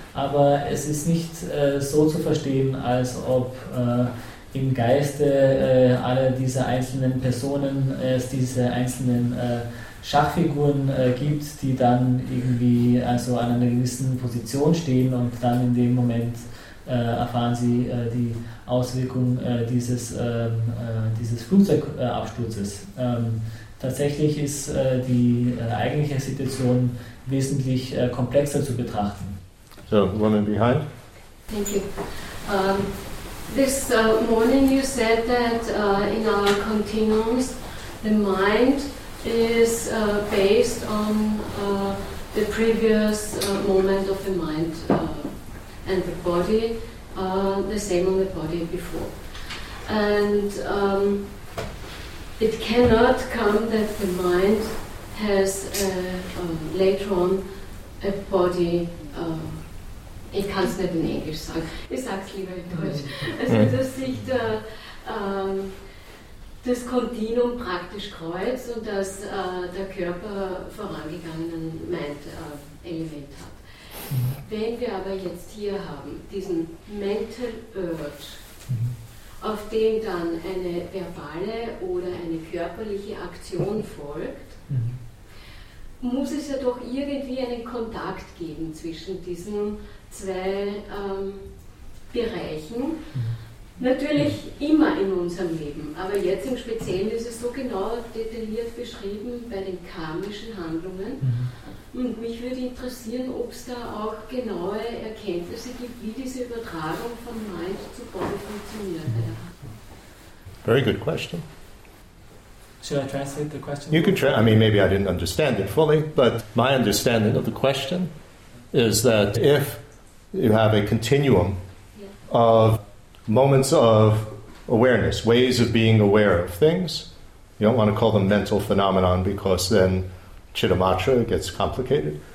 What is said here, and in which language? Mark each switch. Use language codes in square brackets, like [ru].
[de] Aber es ist nicht so zu verstehen, als ob im Geiste aller dieser einzelnen Personen es diese einzelnen Schachfiguren gibt, die dann irgendwie also an einer gewissen Position stehen und dann in dem Moment erfahren Sie die Auswirkung dieses Flugzeugabsturzes. Tatsächlich ist die eigentliche Situation wesentlich komplexer zu betrachten. [en] So, woman behind. Thank you. This morning you said that in our continuums the mind is based on the previous moment of the mind and the body. The same on the body before. And it cannot come that the mind has later on a body [de] Ich kann es nicht in Englisch sagen. Ich sage es lieber in Deutsch. Also, dass sich da, das Kontinuum praktisch kreuzt und dass der Körper vorangegangenen Mind-Element hat. Wenn wir aber jetzt hier haben, diesen Mental Urge, auf den dann eine verbale oder eine körperliche Aktion folgt, muss es ja doch irgendwie einen Kontakt geben zwischen diesen zwei Bereichen. Natürlich immer in unserem Leben, aber jetzt im Speziellen ist es so genau detailliert beschrieben bei den karmischen Handlungen. Und mich würde interessieren, ob es da auch genaue Erkenntnisse gibt, wie diese Übertragung von Mind zu Body funktioniert. [en] Very good question. Should I translate the question? You can translate. I mean, maybe I didn't understand it fully, but my understanding of the question is that if you have a continuum of moments of awareness, ways of being aware of things, you don't want to call them mental phenomenon because then chittamatra gets complicated.